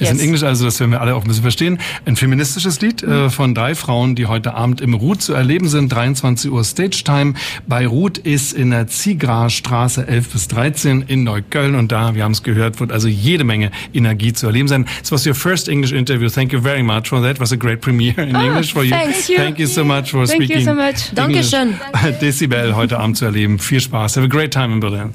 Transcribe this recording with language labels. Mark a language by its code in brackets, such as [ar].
[de] Ist in Englisch, also das werden wir alle auch ein bisschen verstehen. Ein feministisches Lied von drei Frauen, die heute Abend im Ruth zu erleben sind. 23 Uhr Stage Time. Bei Ruth ist in der Ziegrastraße 11 bis 13 in Neukölln und da, wir haben es gehört, wird also jede Menge Energie zu erleben sein. [en] This was your first English interview. Thank you very much for that. It was a great premiere in English for you. Thank you so much for speaking. Thank you so much. [de] Dankeschön. Decibel heute Abend zu erleben. Viel Spaß. [en] Have a great time in Berlin.